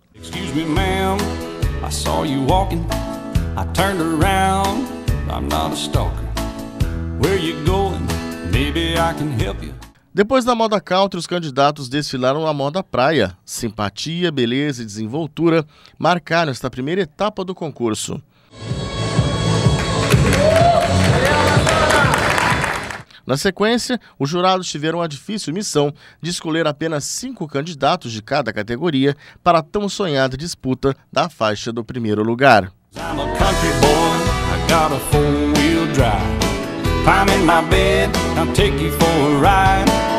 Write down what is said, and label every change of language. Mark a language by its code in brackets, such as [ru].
[en] Excuse me, ma'am, I saw you walking. I turned around, I'm not a stalker. Where you going? Maybe I can help you. [pt] Depois da moda country, os candidatos desfilaram a moda praia. Simpatia, beleza e desenvoltura marcaram esta primeira etapa do concurso. Na sequência, os jurados tiveram a difícil missão de escolher apenas 5 candidatos de cada categoria para a tão sonhada disputa da faixa do primeiro lugar. [en] I'm a country boy, I got a four-wheel drive. Climb in my bed, I'll take you for a ride.